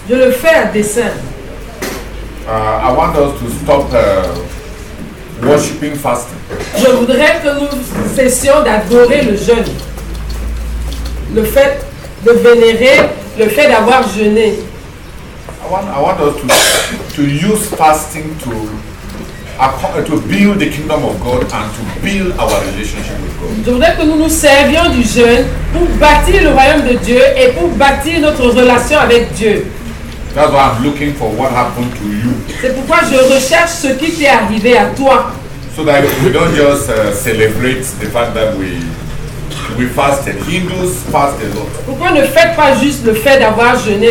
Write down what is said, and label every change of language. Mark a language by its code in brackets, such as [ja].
[fr] Je le fais à dessein. [en] I want us to stop worshiping fast. [fr] Je voudrais que nous cessions d'adorer le jeûne. Le fait de vénérer, le fait d'avoir jeûné. [en] I want us to use fasting to build the kingdom of God and to build our relationship with God. [fr] Je voudrais que nous nous servions du jeûne pour bâtir le royaume de Dieu et pour bâtir notre relation avec Dieu. [en] That's why I'm looking for what happened to you. [fr] C'est pourquoi je recherche ce qui t'est arrivé à toi. [en] So that we don't just celebrate the fact that we fasted. Hindus fast a lot. [fr] Pourquoi ne fête pas juste le fait d'avoir jeûné?